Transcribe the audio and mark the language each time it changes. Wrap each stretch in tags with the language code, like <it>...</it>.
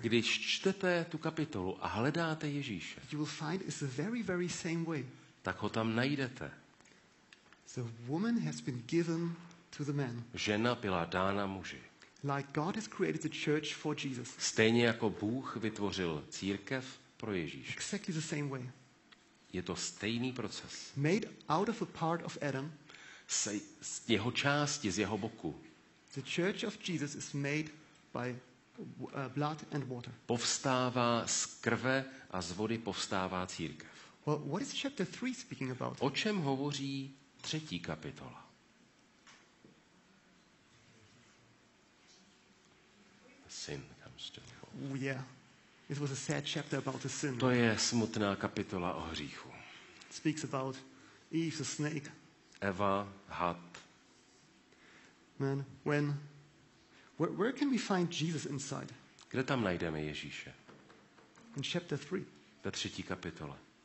<cs>Když čtete tu kapitolu a hledáte Ježíše,</cs> <en>you will find it's the very, very same way.</en> <cs>Tak ho tam najdete.</cs> <en>The woman has been given to the man.</en> <cs>Žena byla dána muži.</cs> <en>Like God has created the church for Jesus.</en> <cs>Stejně jako Bůh vytvořil církev pro Ježíše.</cs> <en>Exactly the same way.</en> <cs>Je to stejný proces.</cs> <en>Made out of a part of Adam.</en> <cs>Z jeho části, z jeho boku.</cs> <en>The church of Jesus is made by blood and water.</en> <cs>Povstává z krve a z vody povstává církev.</cs> <en>Well, what is chapter 3 speaking about?</en> <cs>O čem hovoří třetí kapitola?</cs> <en>Sin comes to the fore. Yeah. It was a sad chapter about the sin.</en> <cs>To je smutná kapitola o hříchu.</cs> <en>It speaks about Eve, the snake.</en> <cs>Eva, had.</cs> <en>Man, when where can we find Jesus inside?</en> <cs>Kde tam najdeme Ježíše?</cs> <en>In chapter 3.</en> <cs>Ta třetí kapitola.</cs>